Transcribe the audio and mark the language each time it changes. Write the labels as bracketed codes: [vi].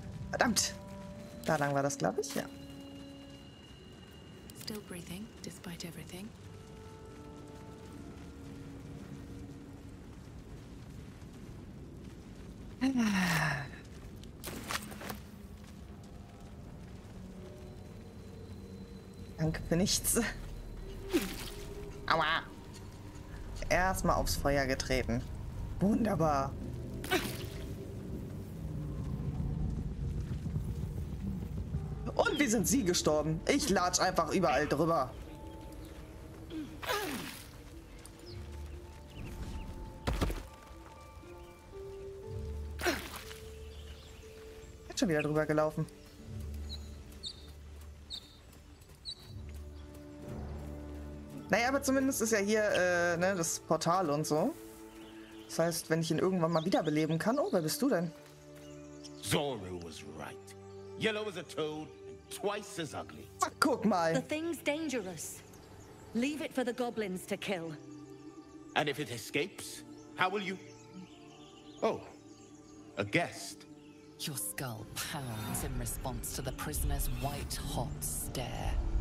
[de] Verdammt. Da lang war das, glaube ich, ja. [en] Still breathing, despite everything. [de] Danke für nichts. Aua. Erstmal aufs Feuer getreten. Wunderbar. Und wie sind Sie gestorben? Ich latsch einfach überall drüber. Ich bin schon wieder drüber gelaufen. Naja, aber zumindest ist ja hier ne, das Portal und so. Das heißt, wenn ich ihn irgendwann mal wiederbeleben kann. Oh, wer bist du denn? [en] Zoru was right. Yellow as a toad, twice as ugly. [de] Ach, guck mal. [en] The thing's dangerous. Leave it for the goblins to kill. And if it escapes, how will you? Oh, a guest. Your skull pounds in response to the prisoner's white hot stare.